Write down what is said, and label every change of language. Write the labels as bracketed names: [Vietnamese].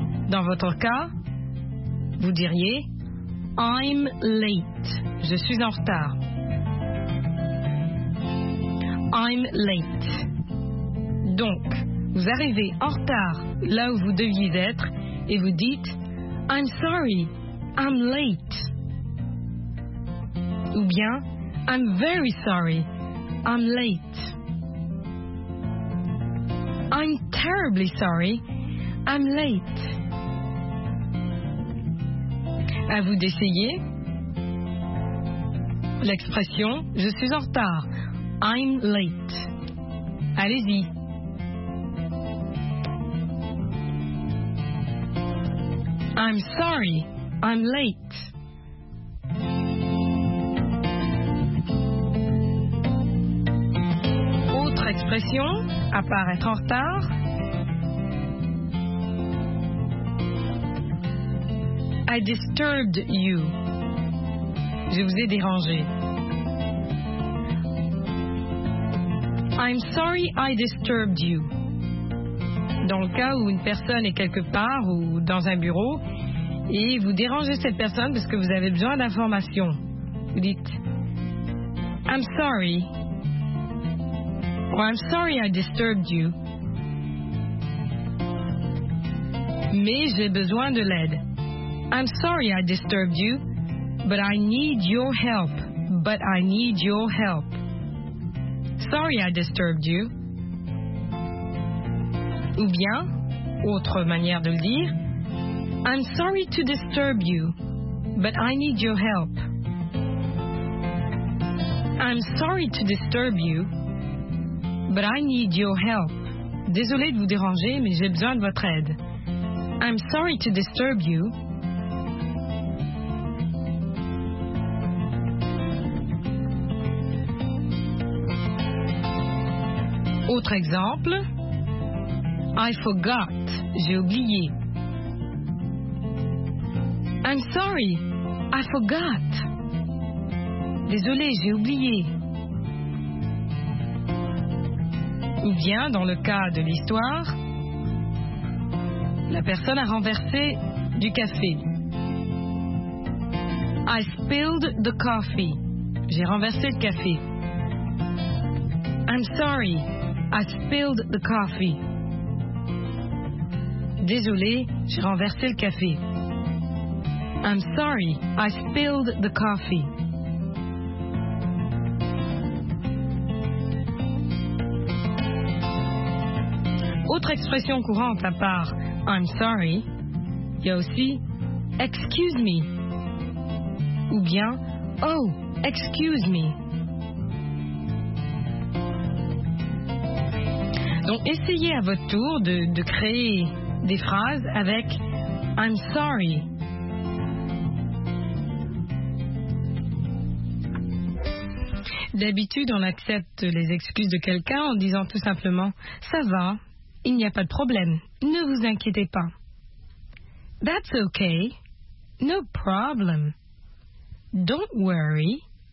[French] Dans votre cas, vous diriez, [English] I'm late. [French] Je suis en retard. [English] I'm late. [French] Donc, vous arrivez en retard là où vous deviez être et vous dites, [English] I'm sorry, I'm late. [French] Ou bien, [English] I'm very sorry, I'm late. I'm terribly sorry, I'm late. [French] À vous d'essayer l'expression, je suis en retard, [English] I'm late. [French] Allez-y. [English] I'm sorry, I'm late. [French] Expression, à part être en retard. [English] I disturbed you. [French] Je vous ai dérangé. [English] I'm sorry I disturbed you. [French] Dans le cas où une personne est quelque part ou dans un bureau et vous dérangez cette personne parce que vous avez besoin d'informations, vous dites [English] I'm sorry. Well, I'm sorry I disturbed you. [French] Mais j'ai besoin de l'aide. [English] I'm sorry I disturbed you, but I need your help. But I need your help. Sorry I disturbed you. [French] Ou bien, autre manière de le dire, [English] I'm sorry to disturb you, but I need your help. I'm sorry to disturb you, but I need your help. [French] Désolé de vous déranger, mais j'ai besoin de votre aide. [English] I'm sorry to disturb you. [French] Autre exemple. [English] I forgot. [French] J'ai oublié. [English] I'm sorry. I forgot. [French] Désolé, j'ai oublié. Ou bien, dans le cas de l'histoire, la personne a renversé du café. [English] I spilled the coffee. [French] J'ai renversé le café. [English] I'm sorry. I spilled the coffee. [French] Désolé, j'ai renversé le café. [English] I'm sorry, I spilled the coffee. [French] Autre expression courante à part [English] I'm sorry, [French] il y a aussi [English] excuse me. [French] Ou bien [English] oh, excuse me. [French] Donc, essayez à votre tour de créer des phrases avec [English] I'm sorry. [French] D'habitude, on accepte les excuses de quelqu'un en disant tout simplement ça va, il n'y a pas de problème, ne vous inquiétez pas. [English] That's okay, no problem, don't worry.